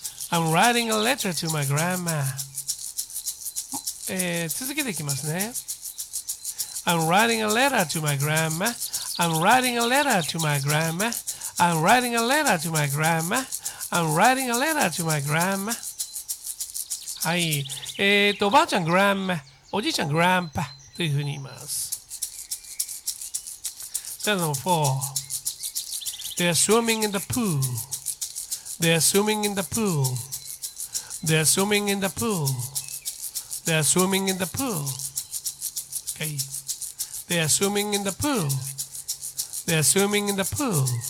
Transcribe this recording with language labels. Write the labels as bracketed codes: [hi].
[en] I'm writing a letter to my grandma. [ja] 続けていきますね。 [en] I'm writing a letter to my grandma. I'm writing a letter to my grandma. I'm writing a letter to my grandma. I'm writing a letter to my grandma. [ja] はい。おばあちゃん、grandma。おじいちゃん、grandpa。というふうに言います。 [en] Step number four. They are swimming in the pool. They are swimming in the pool. They are swimming in the pool. They are swimming in the pool. Okay. They are swimming in the pool. They are swimming in the pool.